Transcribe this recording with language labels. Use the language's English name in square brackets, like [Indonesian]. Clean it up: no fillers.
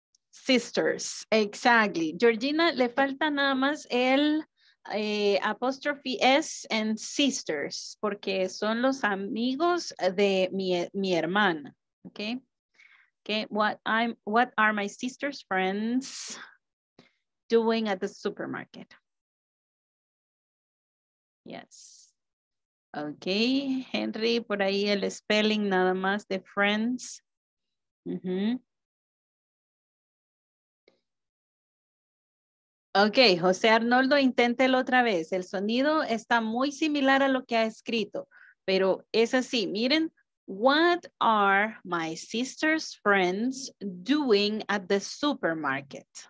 [English] Sisters. Exactly. [Spanish] Georgina, le falta nada más el apostrophe S and sisters, porque son los amigos de mi hermana. Okay. Okay. [English] What are my sister's friends doing at the supermarket? Yes. [Spanish] Okay, Henry, por ahí el spelling nada más de friends. Mm-hmm. Okay, José Arnoldo, inténtelo otra vez. El sonido está muy similar a lo que ha escrito, pero es así. [English] Miren, what are my sister's friends doing at the supermarket?